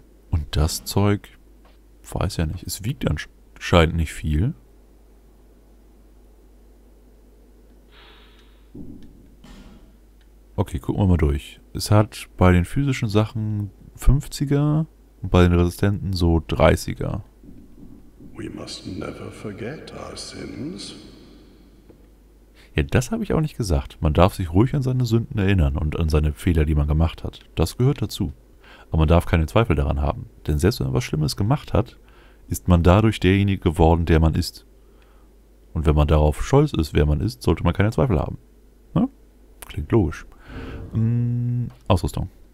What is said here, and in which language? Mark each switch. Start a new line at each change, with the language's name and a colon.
German: Und das Zeug, weiß ja nicht, es wiegt dann schon. Scheint nicht viel. Okay, gucken wir mal durch. Es hat bei den physischen Sachen 50er und bei den Resistenten so 30er.
English: We must never forget our sins.
German: Ja, das habe ich auch nicht gesagt. Man darf sich ruhig an seine Sünden erinnern und an seine Fehler, die man gemacht hat. Das gehört dazu. Aber man darf keine Zweifel daran haben. Denn selbst wenn man was Schlimmes gemacht hat, ist man dadurch derjenige geworden, der man ist. Und wenn man darauf stolz ist, wer man ist, sollte man keine Zweifel haben. Ne? Klingt logisch. Ausrüstung.